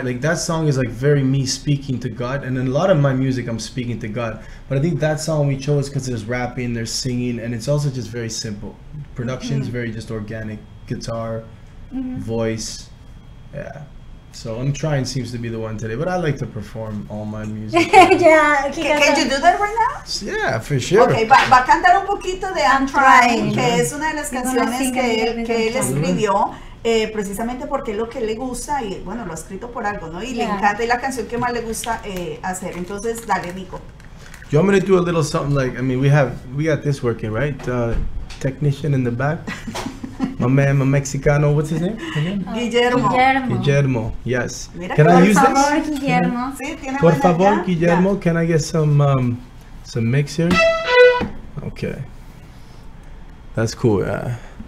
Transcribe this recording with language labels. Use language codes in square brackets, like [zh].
[en] Like, that song is like very me speaking to God, and in a lot of my music I'm speaking to God. But I think that song we chose because there's rapping, there's singing, and it's also just very simple. Production is very just organic. Guitar. Mm-hmm. Voice, yeah. So I'm trying, seems to be the one today, but I like to perform all my music. can you do that right now? Yeah, for sure. [es] Okay, va a cantar un poquito de I'm Trying, que es una de las canciones que él escribió, precisamente porque es lo que le gusta, y bueno, lo ha escrito por algo, ¿no? Y le encanta, y la canción que más le gusta hacer. Entonces, dale, NIKO. [en] You want me to do a little something like, I mean, we got this working, right? Technician in the back. My man, my Mexicano, what's his name? Guillermo. Yes. Mira, can I use favor, this? Guillermo. [es] Sí, por favor, [en] Guillermo. Yeah. Can I get some mix here? Okay. That's cool. Yeah.